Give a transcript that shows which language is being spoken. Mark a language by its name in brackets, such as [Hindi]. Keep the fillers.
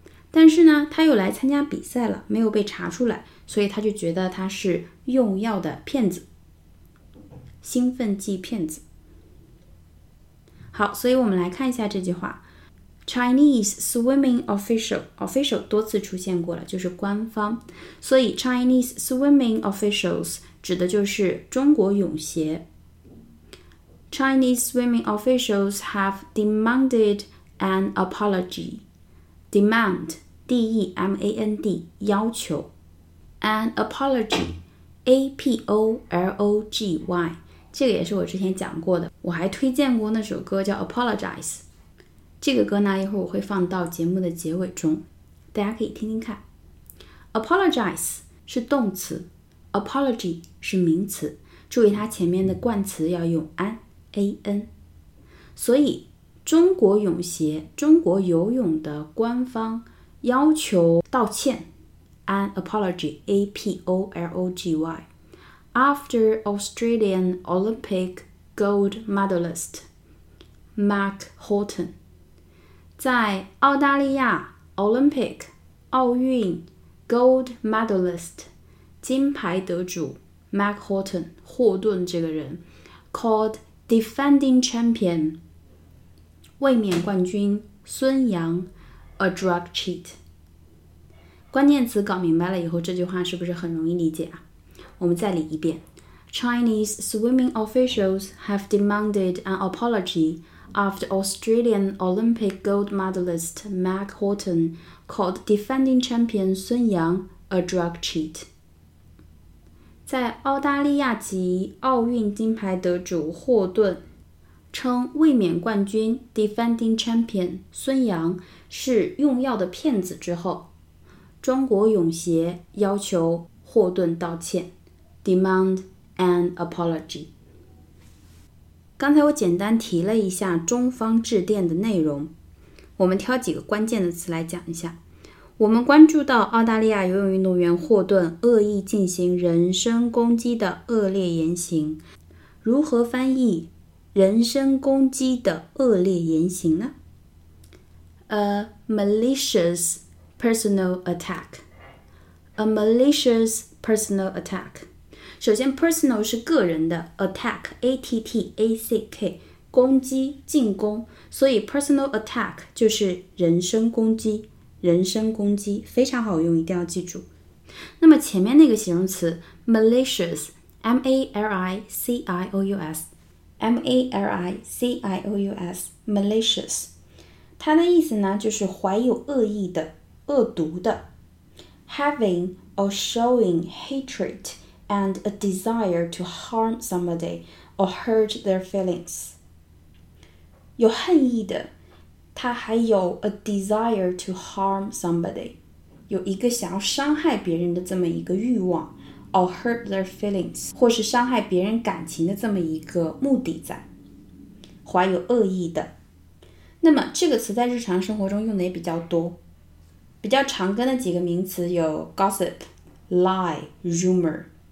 [Chinese] 但是呢，他又来参加比赛了，没有被查出来，所以他就觉得他是用药的骗子，兴奋剂骗子。好，所以我们来看一下这句话：Chinese swimming official，official 多次出现过了，就是官方，所以 [English] Chinese swimming officials [Chinese] 指的就是中国泳协。 [English] Chinese swimming officials have demanded an apology. [Chinese] demand, d e m a n d, 要求。 [English] an apology, [Chinese] a p o l o g y, 这个也是我之前讲过的，我还推荐过那首歌叫 apologize。这个歌呢一会儿我会放到节目的结尾中，大家可以听听看。 apologize 是动词，apology 是名词。注意它前面的冠词要用 an, a n。所以中国泳协、中国游泳的官方要求道歉， [English] an apology，A P O L O G Y，after Australian Olympic gold medalist Mac h o r t o n [Chinese] 在澳大利亚 Olympic 奥运 [English] gold medalist [Chinese] 金牌得主 Mac h o r t o n 霍顿这个人 [English] called defending champion。 [Chinese] 卫冕冠军孙杨， [English] a drug cheat。 [Chinese] 关键词搞明白了以后，这句话是不是很容易理解啊？ [English] 我们再理一遍：Chinese swimming officials have demanded an apology after Australian Olympic gold medalist m a c k Horton called defending champion 孙杨 a a drug cheat。 [Chinese] 在澳大利亚籍奥运金牌得主霍顿。称卫冕冠军 [English] defending champion [Chinese] 孙杨是用药的骗子之后，中国泳协要求霍顿道歉， [English] demand an apology。 [Chinese] 刚才我简单提了一下中方致电的内容，我们挑几个关键的词来讲一下。我们关注到澳大利亚游泳运动员霍顿恶意进行人身攻击的恶劣言行，如何翻译？人身攻击的恶劣言行呢？ [English] A malicious personal attack. A malicious personal attack. [Chinese] 首先， [English] personal [Chinese] 是个人的， [English] attack a t t a c k [Chinese] 攻击进攻，所以 [English] personal attack [Chinese] 就是人身攻击。人身攻击非常好用，一定要记住。那么前面那个形容词 malicious m a l i c i o u s。 M A L I C I O U S malicious，它的意思呢就是怀有恶意的、恶毒的。 [English] Having or showing hatred and a desire to harm somebody or hurt their feelings， [Chinese] 有恨意的，他还有 [English] a desire to harm somebody， [Chinese] 有一个想要伤害别人的这么一个欲望。 [English] or hurt their feelings， [Chinese] 或是伤害别人感情的这么一个目的在，怀有恶意的。那么这个词在日常生活中用的也比较多，比较常跟的几个名词有 gossip、lie、rumor。